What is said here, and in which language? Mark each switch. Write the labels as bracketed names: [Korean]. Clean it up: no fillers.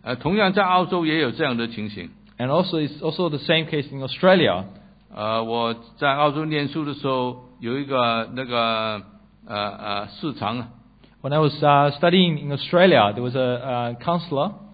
[Chinese] 同样在澳洲也有这样的情形 [English] And also it's also the same case in Australia [Chinese] 我在澳洲念书的时候有一个那个市场 [English] When I was studying in Australia there was a councillor